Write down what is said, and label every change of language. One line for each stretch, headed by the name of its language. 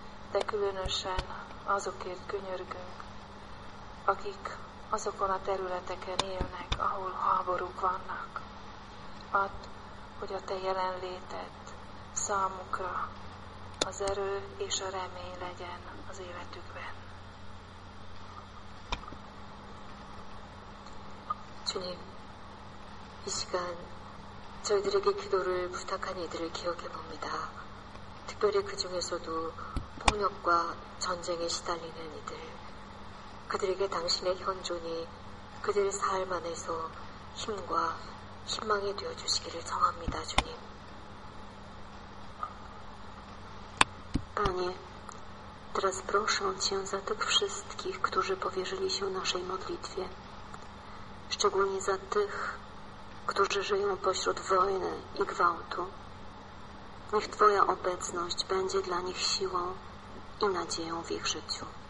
Hungarian: De különösen azokért könyörgünk, akik azokon a területeken élnek, ahol háborúk vannak. Add, hogy a Te jelenléted számukra az erő és a remény legyen az életükben.
Korean: Juni, 이 시간 저희들에게 기도를 부탁한 이들을 기억해 봅니다. 특별히 그 중에서도 폭력과 전쟁에 시달리는 이들, 그들에게 당신의 현존이 그들의 삶 안에서 힘과 희망이 되어 주시기를 청합니다, 주님. 아니.
Polish: Teraz proszę Cię za tych wszystkich, którzy powierzyli się naszej modlitwie. Szczególnie za tych, którzy żyją pośród wojny i gwałtu. Niech Twoja obecność będzie dla nich siłą i nadzieją w ich życiu.